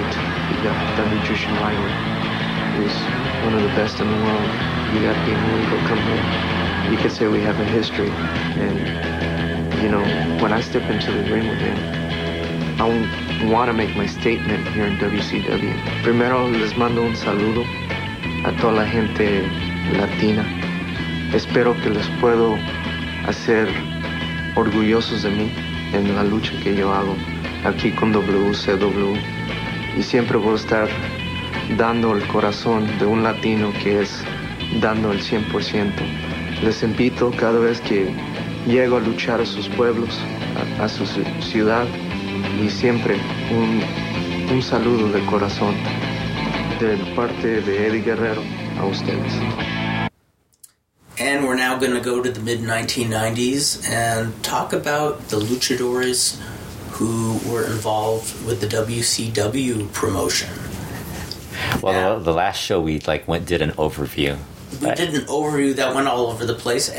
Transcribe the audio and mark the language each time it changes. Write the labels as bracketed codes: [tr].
[en] You got the Nutrition Rider, who's one of the best in the world. You got the Amigo Company. You could say we have a history. And, you know, when I step into the ring with him, I want to make my statement here in WCW. [es] Primero, les mando un saludo a toda la gente latina. Espero que les puedo hacer orgullosos de mí en la lucha que yo hago aquí con WCW. Y siempre voy a estar dando el corazón de un latino que es dando el 100%. Les invito cada vez que llego a luchar a sus pueblos, a su ciudad, y siempre un saludo de corazón de parte de Eddie Guerrero a ustedes. [en] And we're now going to go to the mid-1990s and talk about the luchadores who were involved with the WCW promotion. Well, yeah. The last show we did an overview. We did an overview that went all over the place, and